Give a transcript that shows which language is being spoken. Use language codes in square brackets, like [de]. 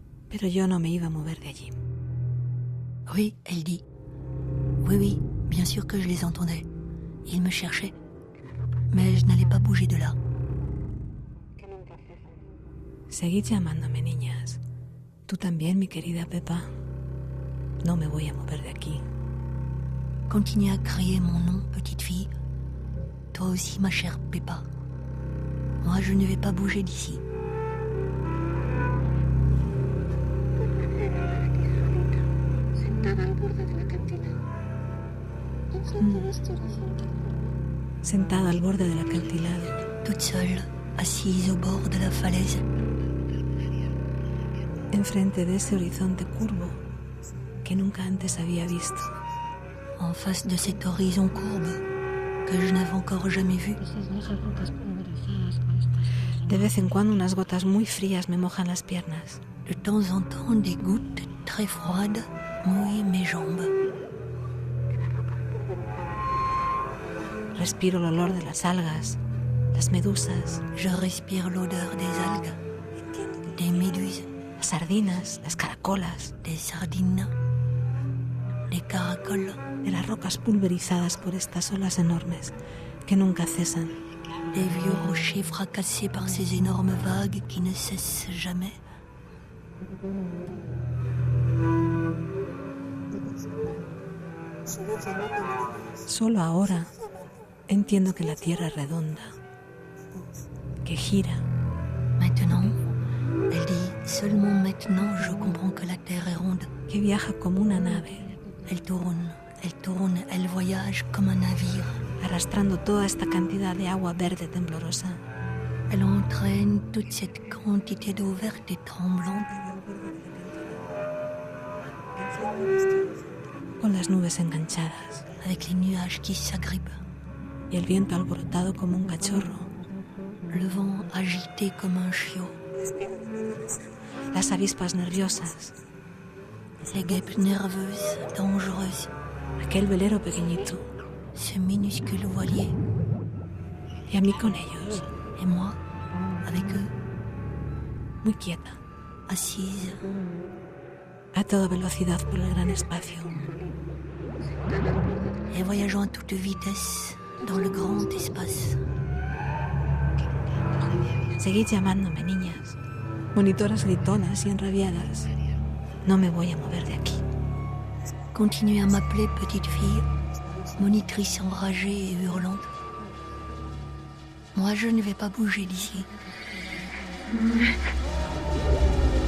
[es] Pero yo no me iba a mover de allí. [fr] Oui, elle dit. Oui, oui, bien sûr que je les entendais. Ils me cherchaient. Mais je n'allais pas bouger de là. [es] Seguid llamándome, niñas. Tú también, mi querida Pepa. No me voy a mover de aquí. [fr] Continuez à crier mon nom, petite fille. Toi aussi, ma chère Pepa. Moi, je ne vais pas bouger d'ici. Mmh. [es] sentada al borde del acantilado. [fr] Toute seule, assise au bord de la falaise. [es] Enfrente de ese horizonte curvo que nunca antes había visto. [fr] En face de cet horizon courbe que je n'avais encore jamais vu. [es] De vez en cuando unas gotas muy frías me mojan las piernas. [fr] De temps en temps des gouttes très froides mouillent mes jambes. [es] Respiro el olor de las algas, las medusas. [fr] Je respire l'odeur des algues, des méduses. [es] Las sardinas, las caracolas. [fr] Des sardines, des caracoles. [es] De las rocas pulverizadas por estas olas enormes que nunca cesan. [fr] Des vieux rochers fracassés par ces énormes vagues qui ne cessent jamais. [es] Solo ahora entiendo que la Tierra es redonda, que gira. [fr] Maintenant, elle dit, seulement maintenant je comprends que la Terre est ronde. [es] Que viaja como una nave. [fr] Elle tourne, elle voyage comme un navire. [es] Arrastrando toda esta cantidad de agua verde temblorosa. [fr] Elle entraîne toute cette quantité d'eau verte et tremblante. [es] Con las nubes enganchadas. [fr] Avec les nuages qui s'agrippent. [es] Y el viento alborotado como un cachorro. [fr] Le vent agité comme un chiot. [es] Las avispas nerviosas. [fr] Les guêpes nerveuses, dangereuses. [es] Aquel velero pequeñito. [fr] Ce minuscule voilier. [es] Y a mí con ellos. [fr] Et moi, avec eux. [es] Muy quieta. [fr] Assise. [es] A toda velocidad por el gran espacio. [fr] Y voyageant a toute vitesse. Dans le grand espace. [es] Seguid llamándome, niñas. Monitoras gritonas y enrabiadas. No me voy a mover de aquí. [fr] Continuez à m'appeler, petite fille. Monitrice enragée et hurlante. Moi, je ne vais pas bouger d'ici.